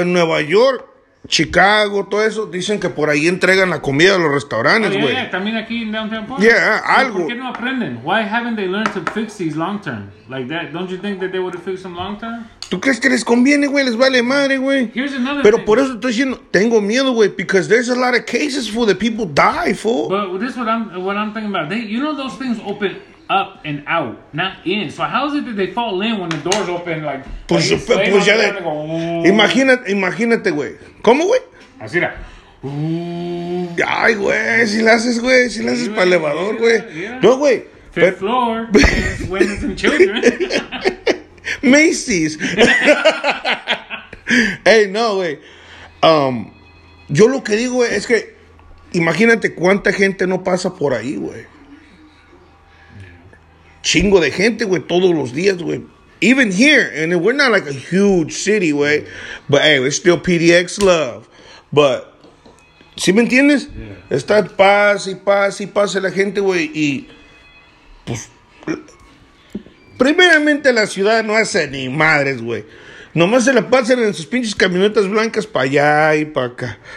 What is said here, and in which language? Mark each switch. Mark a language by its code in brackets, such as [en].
[es] en Nueva York, Chicago, todo eso, dicen que por ahí entregan la comida a los restaurantes, güey. Yeah, también aquí en Downtown Park. Yeah, algo. ¿Por qué no aprenden? [en] Why haven't they learned to fix these long term? Like that, don't you think that they would have fixed them long term? [es] ¿Tú crees que les conviene, güey? Les vale madre, güey. [en] Here's another thing. [es] Pero por eso estoy diciendo, tengo miedo, güey, [en] because there's a lot of cases for the people die, fool. But this is what I'm thinking about. You know those things open up and out, not in. So how is it that they fall in when the door's open? Like, [es] pues ya de... Imagínate, güey. ¿Cómo, güey? Así era. Ay, güey, si la haces, güey, si la haces para el elevador, güey. [en] Yeah. [es] No, güey. [en] Fifth but... floor. Women and children. [es] Macy's. Hey, no, güey. Yo lo que digo, güey, es que imagínate cuánta gente no pasa por ahí, güey. Chingo de gente, güey, todos los días, güey. [en] Even here, and we're not like a huge city, güey. But hey, it's still PDX love. But, [es] ¿sí me entiendes? [en] Yeah. [es] Está paz y paz y paz a la gente, güey. Y, pues, primeramente la ciudad no hace ni madres, güey. Nomás se la pasan en sus pinches camionetas blancas para allá y para acá.